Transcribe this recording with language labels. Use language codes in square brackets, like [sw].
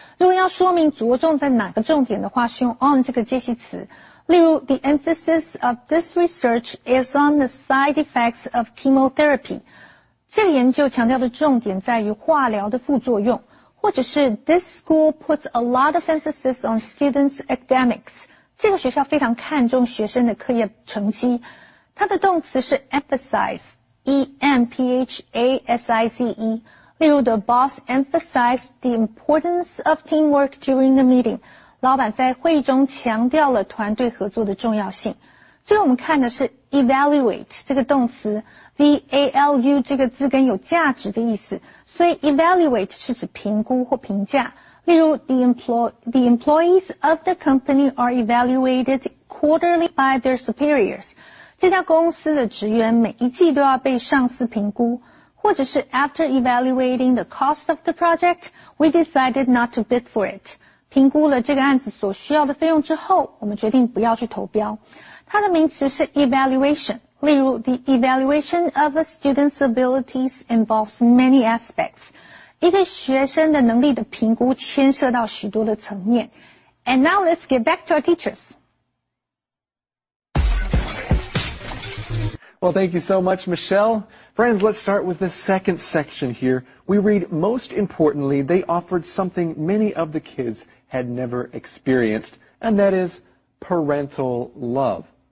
[zh] 如果要说明着重在哪个重点的话，是用 on 这个介系词。例如 [en] ,the emphasis of this research is on the side effects of chemotherapy. [zh] 这个研究强调的重点在于化疗的副作用。或者是 [en] ,this school puts a lot of emphasis on students' academics. [zh] 这个学校非常看重学生的课业成绩。它的动词是 emphasize。E-M-P-H-A-S-I-Z-E. 例如 [en] the boss emphasized the importance of teamwork during the meeting. [zh] 老板在会议中强调了团队合作的重要性。最后我们看的是 evaluate 这个动词， V-A-L-U 这个字根有价值的意思，所以 evaluate 是指评估或评价。例如 [en] the employees of the company are evaluated quarterly by their superiors. [zh] 这家公司的职员每一季都要被上司评估，或者是 [en] after evaluating the cost of the project, we decided not to bid for it. [zh] 评估了这个案子所需要的费用之后，我们决定不要去投标。它的名词是 evaluation。例如 [en] ,the evaluation of a student's abilities involves many aspects. [zh] 一个学生的能力的评估牵涉到许多的层面。 [en] And now let's get back to our teachers. Well, thank you so much, Michelle. Friends, let's start with the second section here. We read, most importantly, they offered something many of the kids had never experienced, and that is parental love.